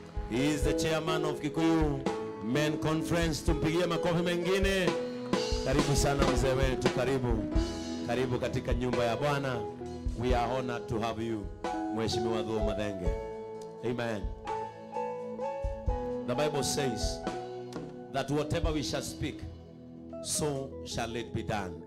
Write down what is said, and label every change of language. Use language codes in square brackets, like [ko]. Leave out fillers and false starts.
[en] He is the chairman of Kikuyu Men Conference. [sw] Tumpigie makofi mengine. Karibu sana mzee wetu, karibu. Karibu katika nyumba ya Bwana. [en] We are honored to have you, [sw] Mheshimiwa [en] Dhuo Madenge. Amen. The Bible says that whatever we shall speak, so shall it be done.